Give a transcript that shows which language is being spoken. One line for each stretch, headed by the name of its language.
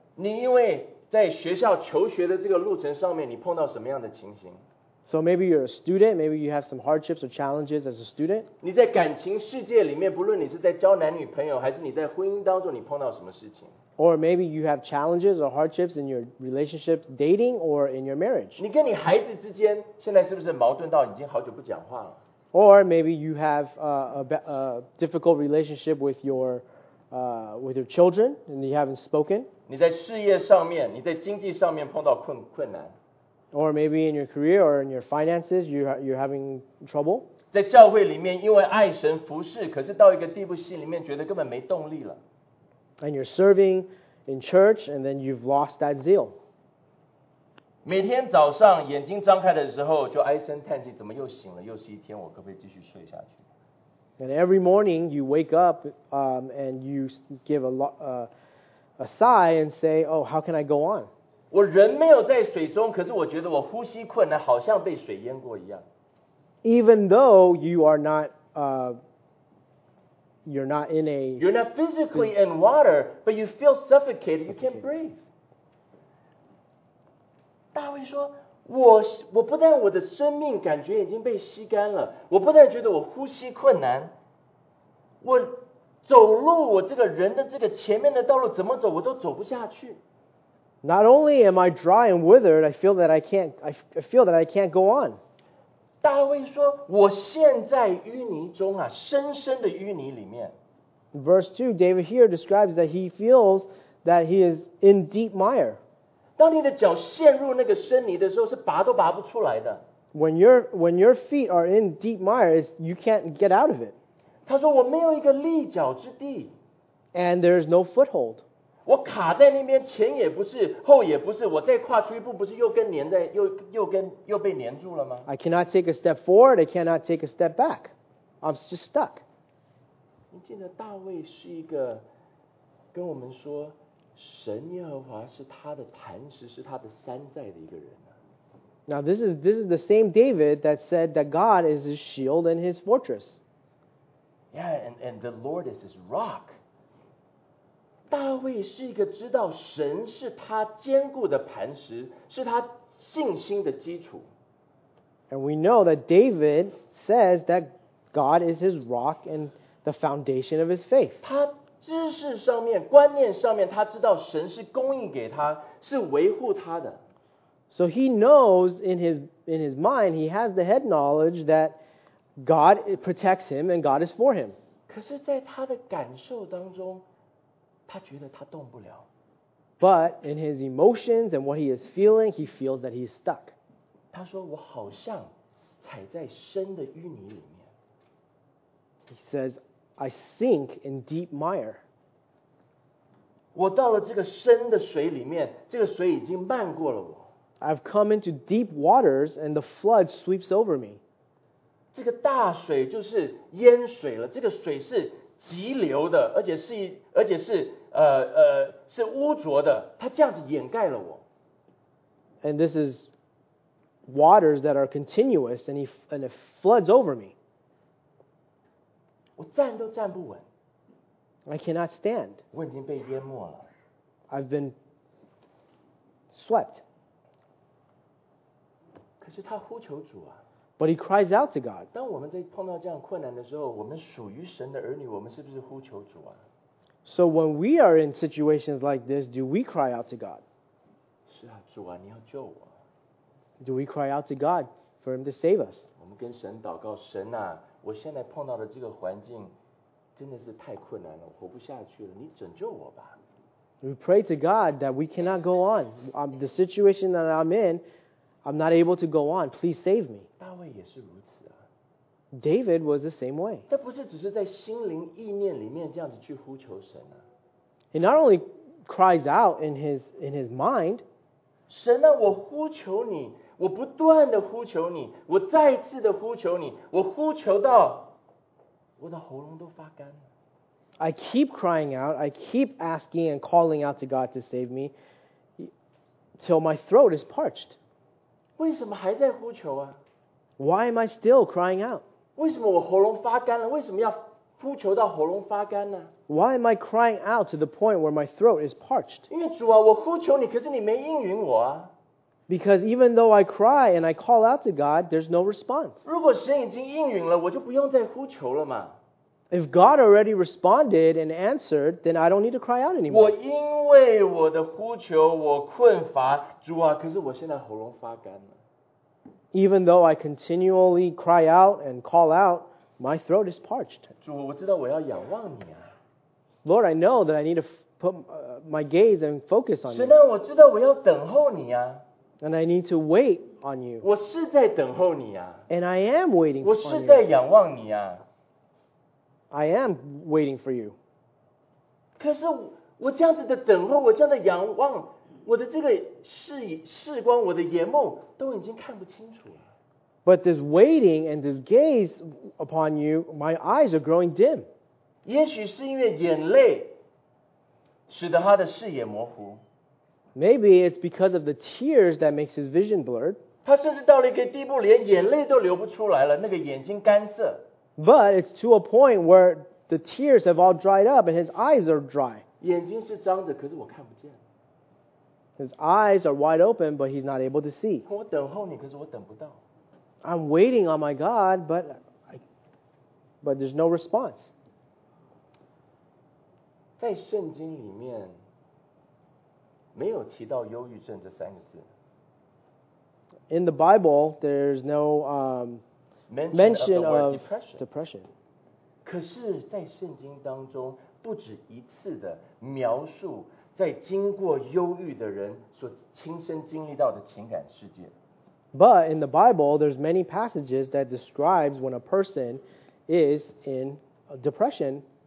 Chinese: 你因为在学校求学的这个路程上面，你碰到什么样的情形？
English: So maybe you're a student, maybe you have some hardships or challenges as a student.
Chinese: 你在感情世界里面，不论你是在交男女朋友，还是你在婚姻当中，你碰到什么事情？
English: Or maybe you have challenges or hardships in your relationships, dating or in your marriage.
Chinese: 你跟你孩子之间现在是不是矛盾到已经好久不讲话了？
English: Or maybe you have a difficult relationship with your children and you haven't spoken.
Chinese: 你在事业上面，你在经济上面碰到困难。
English: Or maybe in your career or in your finances, you're having trouble.
Chinese: 在教会里面，因为爱神服事，可是到一个地步，心里面觉得根本没动力了。
English: And you're serving in church, and then you've lost that zeal.
Chinese: 每天早上眼睛张开的时候，就唉声叹气，怎么又醒了？又是一天，我可不可以继续睡下去？
English: And every morning you wake up, and you give a sigh and say, "Oh, how can I go on?"
Chinese: 我人没有在水中，可是我觉得我呼吸困难，好像被水淹过一样。
English: Even though you are not, you're not in a you're not physically in water, but you feel suffocated. You can't breathe.
Chinese: 大卫说，我不但我的生命感觉已经被吸干了，我不但觉得我呼吸困难，我走路我这个人的这个前面的道路怎么走我都走不下去。
English: Not only am I dry and withered, I feel that I can't go on.
Chinese: 大卫说，我陷在淤泥中啊，深深的淤泥里面。
English: Verse 2, David here describes that he feels that he is in deep mire.
Chinese: 当你的脚陷入那个深泥的时候，是拔都拔不出来的。
English: When your feet are in deep mire, you can't get out of it.
Chinese: 他说，我没有一个立脚之地。
English: And there is no foothold.
Chinese: 我卡在那边，前也不是，后也不是，我再跨出一步，不是又跟黏在，又被黏住了吗？
English: I cannot take a step forward, I cannot take a step back. I'm just stuck.
Chinese: 你记得大卫是一个跟我们说，神耶和华是他的磐石，是他的山寨的一个人。
English: Now this is the same David that said that God is his shield and his fortress. Yeah, and the Lord is his rock.
Chinese: 大卫是一个知道神是他坚固的磐石，是他信心的基础。
English: And we know that David says that God is his rock and the foundation of his faith.
Chinese: 他知识上面、观念上面，他知道神是供应给他，是维护他的。
English: So he knows in his mind, he has the head knowledge that God protects him and God is for him.
Chinese: 可是在他的感受当中，他觉得他动不了。
English: But in his emotions and what he is feeling, he feels that he's stuck.
Chinese: 他说，我好像踩在深的淤泥里面。
English: He says, I sink in deep mire.
Chinese: 我到了这个深的水里面，这个水已经漫过了我。
English: I've come into deep waters and the flood sweeps over me.
Chinese: 这个大水就是淹水了，这个水是急流的，而且是污浊的，它这样子掩盖了我。
English: And this is waters that are continuous, and it floods over me.
Chinese: 我站都站不稳。
English: I cannot stand.
Chinese: 我已经被淹没了。
English: I've been swept.
Chinese: 可是他呼求主啊。
English: But he cries out to God.
Chinese: 当我们在碰到这样困难的时候，我们属于神的儿女，我们是不是呼求主啊？
English: So when we are in situations like this, do we cry out to God?
Chinese: 是啊，主啊，你要救我。
English: Do we cry out to God for him to save us?
Chinese: 我们跟神祷告，神啊，我现在碰到的这个环境真的是太困难了，我活不下去了，你拯救我吧。
English: We pray to God that we cannot go on. The situation that I'm in, I'm not able to go on. Please save me.
Chinese: 也是如此啊。
English: David was the same way.
Chinese: 他不是只是在心灵意念里面这样子去呼求神啊。
English: He not only cries out in his mind.
Chinese: 神啊，我呼求你，我不断的呼求你，我再次的呼求你，我呼求到我的喉咙都发干了。
English: I keep crying out. I keep asking and calling out to God to save me till my throat is parched.
Chinese: 为什么还在呼求啊？
English: Why am I still crying out?
Chinese: 为什么我喉咙发干了？为什么要呼求到喉咙发干呢？
English: Why am I crying out to the point where my throat is parched?
Chinese: 因为主啊，我呼求你，可是你没应允我啊。
English: Because even though I cry and I call out to God, there's no response.
Chinese: 如果神已经应允了，我就不用再呼求了嘛。
English: If God already responded and answered, then I don't need to cry out anymore.
Chinese: 我因为我的呼求，我困乏，主啊，可是我现在喉咙发干了。
English: Even though I continually cry out and call out, my throat is parched.
Chinese: 主，我知道我要仰望你啊。
English: Lord, I know that I need to put my gaze and focus on you.
Chinese: 神啊，我知道我要等候你啊。
English: And I need to wait on you.
Chinese: 我是在等候你啊。
English: And I am waiting for you.
Chinese: 我是在仰望你啊。
English: I am waiting for you.
Chinese: 可是我这样子的等候，我这样的仰望，我的这个视光，我的眼目都已经看不清楚了。
English: But this waiting and this gaze upon you, my eyes are growing dim.
Chinese: 也许是因为眼泪使得他的视野模糊。
English: Maybe it's because of the tears that makes his vision blurred.
Chinese: 他甚至到了一个地步，连眼泪都流不出来了，那个眼睛干涩。
English: But it's to a point where the tears have all dried up and his eyes are dry.
Chinese: 眼睛是张着，可是我看不见。
English: His eyes are wide open, but he's not able to see.
Chinese: 我等候你，可是我等不到。
English: I'm waiting on my God, but there's no response.
Chinese: 在圣经里面没有提到忧郁症这三个字。
English: In the Bible, there's no mention of depression.
Chinese: 可是在圣经当中不止一次的描述在经过忧郁的人所亲身经历到的情感世界。
English: But in the Bible, there's many passages that describes when a person is in depression.